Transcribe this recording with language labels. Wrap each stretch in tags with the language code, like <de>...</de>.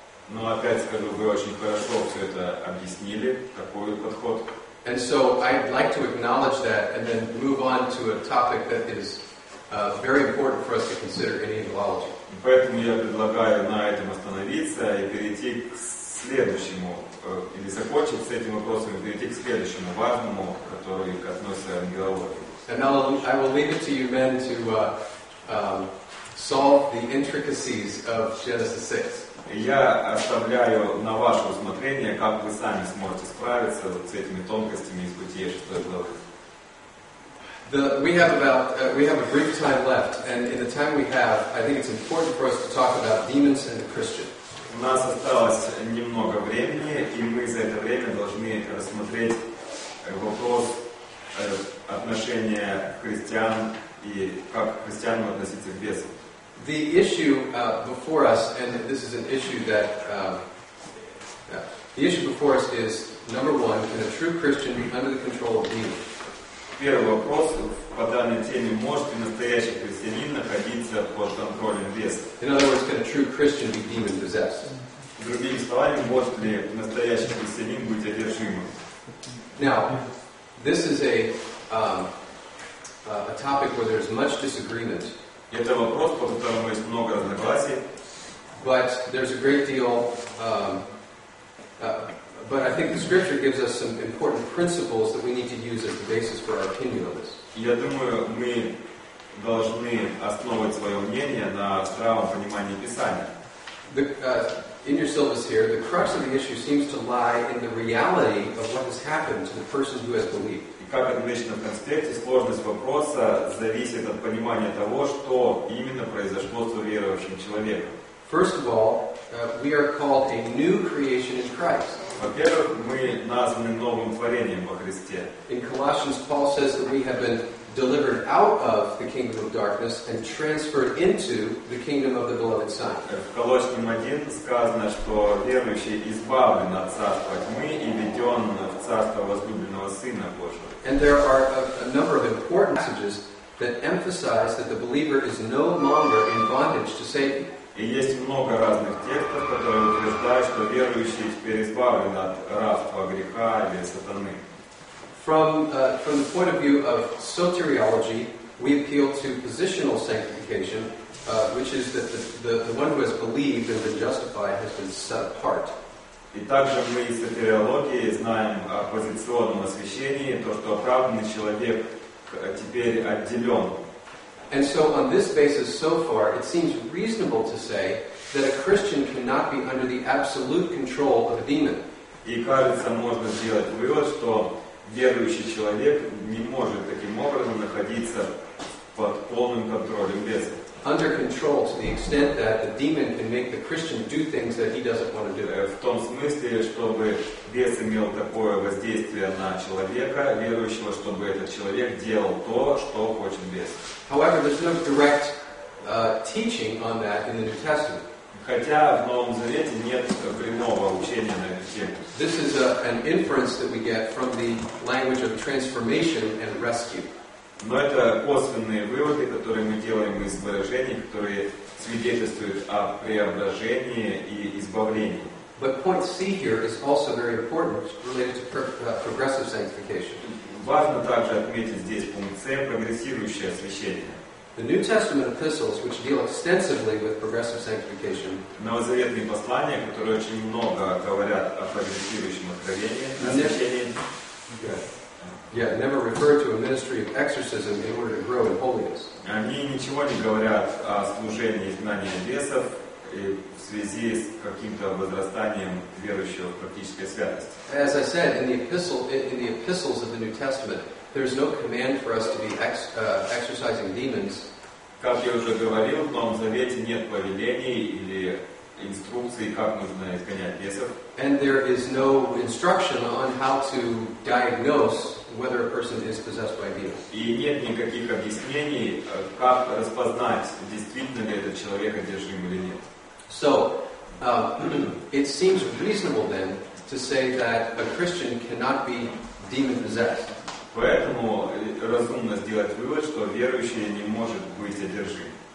<ru>Но опять скажу, вы очень хорошо все это объяснили, такой подход.</ru> <en>And so I'd like to acknowledge that and then move on to a topic that is very important for us to consider in angelology.</en> <ru>Поэтому я предлагаю на этом остановиться и перейти к следующему, или закончить с этим вопросом и перейти к следующему важному, который относится к ангелологии.</ru> <en>And now I will leave it to you men to solve the intricacies of Genesis 6.</en> <ru>Я оставляю на ваше усмотрение, как вы сами сможете справиться вот с этими тонкостями из Бытия 6 главы.</ru> <en>We have a brief time left, and in the time we have, I think it's important for us to talk about demons and the Christian.</en> <ru>У нас осталось немного времени, и мы за это время должны рассмотреть вопрос отношения христиан и как к христианам относиться к бесам.</ru> <en>The issue before us, and this is an issue that the issue before us is number one: can a true Christian be under the control of demons?</en> <ru>Первый вопрос по данной теме: может ли настоящий христианин находиться под контролем бесов?</ru> <en>In other words, can a true Christian be demon possessed?</en> <ru>Другими словами, может ли настоящий христианин быть одержимым?</ru> <en>Now, this is a topic where there's much disagreement.</en> <ru>Это вопрос, по которому есть много разногласий.</ru> <en>But there's a great deal. But I think the Scripture gives us some important principles that we need to use as the basis for our opinion on this.</en> <ru>Я думаю, мы должны основывать свое мнение на здравом понимании Писания.</ru> <en>In your syllabus here, the crux of the issue seems to lie in the reality of what has happened to the person who has believed.</en> <ru>Как отмечено в конспекте, сложность вопроса зависит от понимания того, что именно произошло с уверовавшим человеком.</ru> <en>First of all, we are called a new creation in Christ.</en> <ru>Во-первых, мы названы новым творением во Христе.</ru> <en>In Colossians, Paul says that we have been delivered out of the kingdom of darkness and transferred into the kingdom of the beloved Son.</en> <ru>В Колоссянам 1 сказано, что верующий избавлен от царства тьмы и введен в царство возлюбленного Сына Божьего.</ru> <en>And there are a number of important passages that emphasize that the believer is no longer in bondage to Satan.</en> <ru>И есть много разных текстов, которые утверждают, что верующий теперь избавлен от рабства греха или сатаны.</ru> <en>From the point of view of soteriology, we appeal to positional sanctification, which is that the one who has believed and been justified has been set apart.</en> <ru>И также мы из сотериологии знаем о позиционном освящении, то, что оправданный человек теперь отделен.</ru> <en>And so on this basis so far, it seems reasonable to say that a Christian cannot be under the absolute control of a demon.</en> <ru>И кажется, можно сделать вывод, что верующий человек не может таким образом находиться под полным контролем беса.</ru> <en>Under control to the extent that the demon can make the Christian do things that he doesn't want to do.</en> <ru>В том смысле, чтобы бес имел такое воздействие на человека, верующего, чтобы этот человек делал то, что хочет бес.</ru> <en>However, there's no direct teaching on that in the New Testament.</en> <ru>Хотя в Новом Завете нет прямого учения на эту тему.</ru> <en>This is an inference that we get from the language of transformation and rescue.</en> <ru>Но это косвенные выводы, которые мы делаем из выражений, которые свидетельствуют о преображении и избавлении.</ru> <en>But point C here is also very important related to progressive sanctification.</en> <ru>Важно также отметить здесь пункт C, прогрессирующее освящение.</ru> <en>The New Testament epistles, which deal extensively with progressive sanctification,</en> <ru>новозаветные послания, которые очень много говорят о прогрессирующем откровении, освящении.</ru> <en>Yeah, never refer to a ministry of exorcism in order to grow in holiness.</en> <ru>Они ничего не говорят о служении изгнания бесов в связи с каким-то возрастанием верующего в практической святости.</ru> <en>As I said, in the epistles of the New Testament, there is no command for us to be exorcising demons.</en> <ru>Как я уже говорил, в Новом Завете нет повелений или инструкции, как нужно изгонять бесов.</ru> <en>And there is no instruction on how to diagnose whether a person is possessed by a demon.</en> <ru>И нет никаких объяснений, как распознать, действительно ли этот человек одержим или нет.</ru> <en>So, it seems reasonable then to say that a Christian cannot be demon possessed.</en> <ru>Поэтому разумно сделать вывод, что верующий не может быть одержим.</ru>